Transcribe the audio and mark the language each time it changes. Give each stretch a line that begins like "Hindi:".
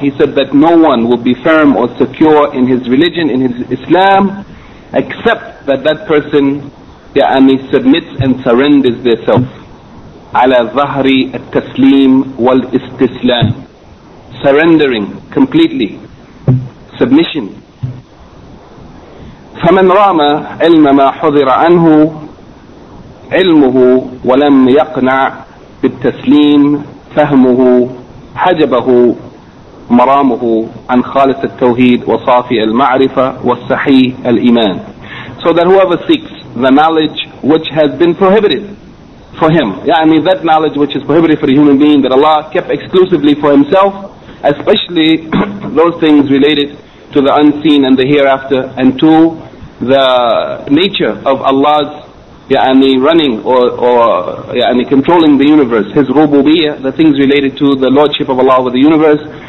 English: He said that no one will be firm or secure in his religion, in his Islam, except that that person submits and surrenders themselves.
Arabic: عَلَى ظَهْرِ التَّسْلِيمِ وَالْإِسْتِسْلَامِ.
English: Surrendering completely. Submission.
Arabic: فَمَنْ رَامَ عِلْمَ مَا حُذِرَ عَنْهُ عِلْمُهُ وَلَمْ يَقْنَعْ بِالتَّسْلِيمِ فَهْمُهُ حجبه مرامه عن خالص التوحيد وصافي المعرفة والصحيح الإيمان.
English: So that whoever seeks the knowledge which has been prohibited for him, يعني that knowledge which is prohibited for a human being that Allah kept exclusively for himself, especially those things related to the unseen and the hereafter and to the nature of Allah's running or controlling the universe, his rububiyyah, the things related to the lordship of Allah over the universe,